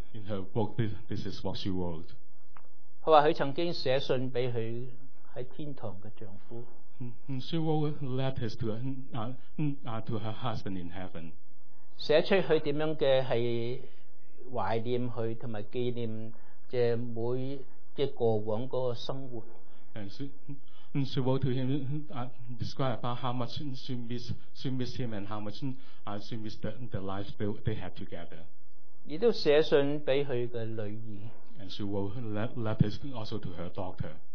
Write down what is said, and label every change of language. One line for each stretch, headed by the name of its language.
English: In her book, this is what she wrote.
Chinese: 他说他曾经写信给他在天堂的丈夫
English: She wrote letters to her husband in heaven.
Chinese: 写出他怎样的是怀念他和纪念每个过往的生活
English: And she wrote to him, describe about how much she missed him and how much she missed the life they had together.
Chinese: 也都写信给她的女儿。
English: And she wrote letters also to her daughter.